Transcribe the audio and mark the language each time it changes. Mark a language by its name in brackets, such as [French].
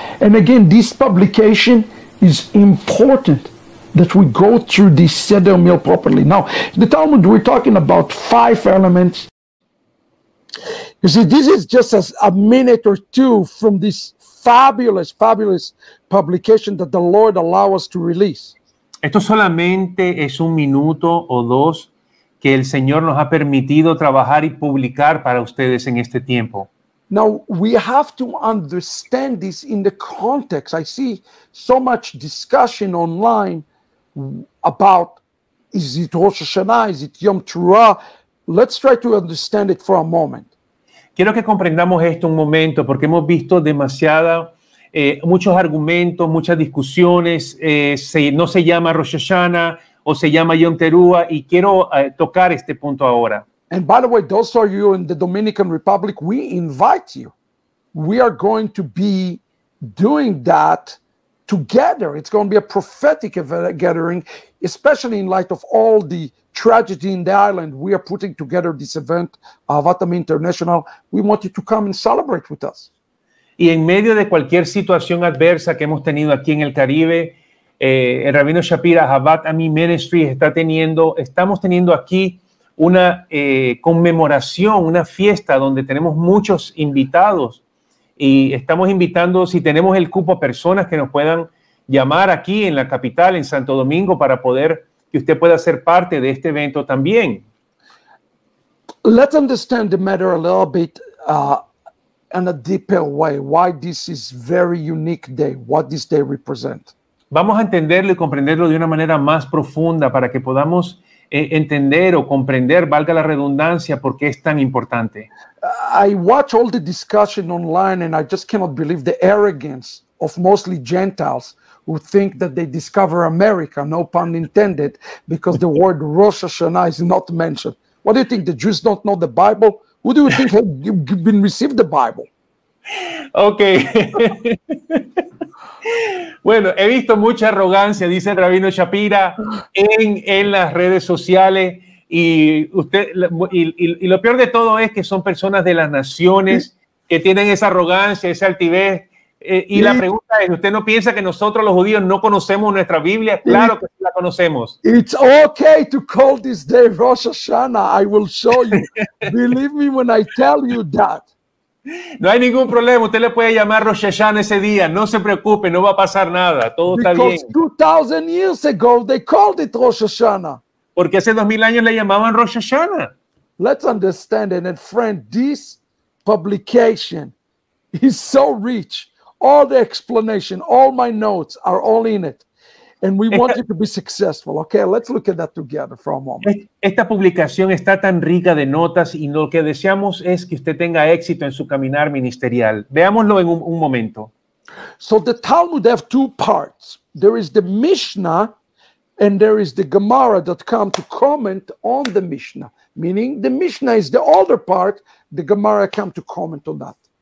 [English] And again, this publication is important that we go through this Seder meal properly. Now, the Talmud, we're talking about five elements. You see, this is just a minute or two from this fabulous, fabulous publication that the Lord allowed us to release. [Spanish] Esto solamente es un minuto o dos que el Señor nos ha permitido trabajar y publicar para ustedes en este tiempo. [English] Now, we have to understand this in the context. I see so much discussion online about, is it Rosh Hashanah, is it Yom Teruah? Let's try to understand it for a moment. [Spanish] Quiero que comprendamos esto un momento, porque hemos visto demasiada, muchos argumentos, muchas discusiones. No se llama Rosh Hashanah o se llama Yom Teruah, y quiero tocar este punto ahora. [English] And by the way, those of you in the Dominican Republic, we invite you. We are going to be doing that together. It's going to be a prophetic gathering, especially in light of all the tragedy in the island. We are putting together this event, Avatam International. We want you to come and celebrate with us. [Spanish] Y en medio de cualquier situación adversa que hemos tenido aquí en el Caribe, el Rabino Shapira, Avatam Ministry, estamos teniendo aquí una conmemoración, una fiesta donde tenemos muchos invitados. Y estamos invitando, si tenemos el cupo, a personas que nos puedan llamar aquí en la capital, en Santo Domingo, para poder que usted pueda ser parte de este evento también. [English] Let's understand the matter a little bit in a deeper way. Why this is very unique day? What this day represent? Vamos a entenderlo y comprenderlo de una manera más profunda para que podamos entender o comprender, valga la redundancia, por qué es tan importante. I watch all the discussion online and I just cannot believe the arrogance of mostly Gentiles who think that they discover America, no pun intended, because the word Rosh Hashanah is not mentioned. What do you think? The Jews don't know the Bible? Who do you think have been received the Bible? Okay. [Spanish] Bueno, he visto mucha arrogancia, dice el Rabino Shapira, en las redes sociales. Y usted, y lo peor de todo es que son personas de las naciones que tienen esa arrogancia, esa altivez. Y la pregunta es, ¿usted no piensa que nosotros los judíos no conocemos nuestra Biblia? Claro que sí la conocemos. [English] It's okay to call this day Rosh Hashanah. I will show you. Believe me when I tell you that. [Spanish] No hay ningún problema. Usted le puede llamar Rosh Hashanah ese día. No se preocupe, no va a pasar nada. Todo está bien. [English] Because 2,000 years ago they called it Rosh Hashanah. [Spanish] Porque hace 2,000 años le llamaban Rosh Hashanah. [English] Let's understand it. And friend, this publication is so rich. All the explanation, all my notes are all in it. And we want you to be successful. Okay, let's look at that together for a moment. [Spanish] Esta publicación está tan rica de notas y lo que deseamos es que usted tenga éxito en su caminar ministerial. Veámoslo en un momento. [English] So the Talmud have two parts. There is the Mishnah and there is the Gemara that come to comment on the Mishnah. Meaning the Mishnah is the older part, the Gemara come to comment on that.